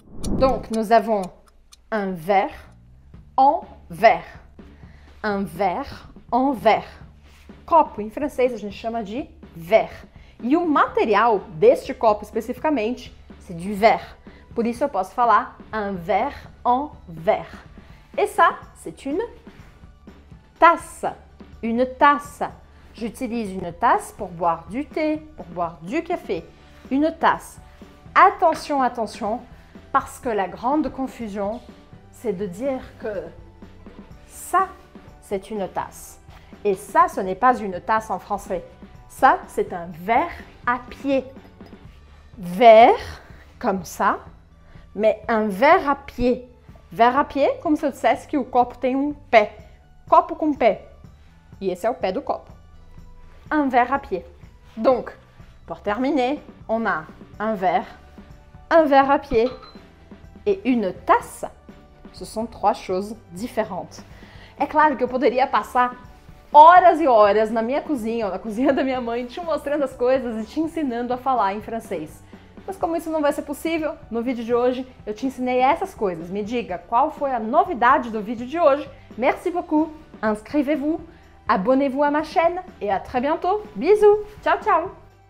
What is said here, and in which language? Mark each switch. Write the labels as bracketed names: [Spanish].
[French] Donc, nous avons un verre en verre. Un verre en verre. [Portuguese] Copo, em francês, a gente chama de verre. E o material deste copo, especificamente, é du verre. Por isso, eu posso falar [French] un verre en verre. Et ça, c'est une tasse. Une tasse. J'utilise une tasse pour boire du thé, pour boire du café. Une tasse. Attention, attention. Parce que la grande confusion, c'est de dire que ça, c'est une tasse. Et ça, ce n'est pas une tasse en français. Ça, c'est un verre à pied. Verre, comme ça, mais un verre à pied. [Portuguese] Verre à pied, comme se dissesse que o copo tem um pé. Copo com pé. E esse é o pé do copo. [French] Un verre à pied. Donc, pour terminer, on a un verre à pied. Et une tasse, ce sont trois choses différentes. [Portuguese] É claro que eu poderia passar horas e horas na minha cozinha, ou na cozinha da minha mãe, te mostrando as coisas e te ensinando a falar em francês. Mas como isso não vai ser possível, no vídeo de hoje eu te ensinei essas coisas. Me diga, qual foi a novidade do vídeo de hoje? [French] Merci beaucoup, inscrivez-vous, abonnez-vous à ma chaîne, et à très bientôt. Bisous, [Portuguese] tchau, tchau!